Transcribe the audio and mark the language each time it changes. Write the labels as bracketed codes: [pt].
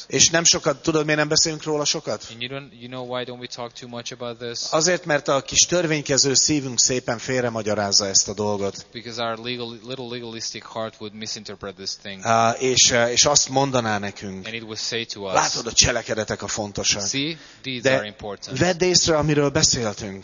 [hu] És nem sokat tudod, miért nem beszélünk róla sokat? [en] You know why don't we talk too much about this? [hu] Azért, mert a kis törvénykező szívünk szépen félremagyarázza ezt a dolgot. [en] Because our legal, little legalistic heart would misinterpret this thing. [hu] És azt mondaná nekünk. [en] And it would say to us. [hu] Látod, a cselekedetek a fontosak. [en] See, deeds are important. [hu] Vedd észre, amiről beszéltünk.